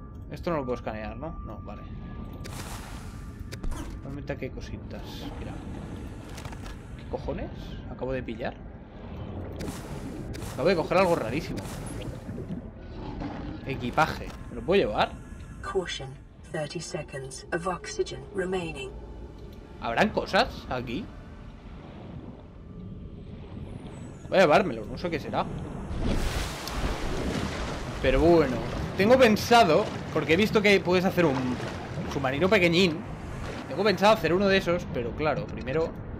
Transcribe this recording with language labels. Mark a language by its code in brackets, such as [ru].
[es] Esto no lo puedo escanear, ¿no? No, vale. Normalmente aquí hay cositas. Mira. ¿Cojones? Acabo de pillar. Acabo de coger algo rarísimo. Equipaje. ¿Me lo puedo llevar? [en] Caution. 30 seconds of oxygen remaining. [es] ¿Habrán cosas aquí? Voy a llevármelo, no sé qué será. Pero bueno, tengo pensado, porque he visto que puedes hacer un submarino pequeñín. Tengo pensado hacer uno de esos, pero claro, primero...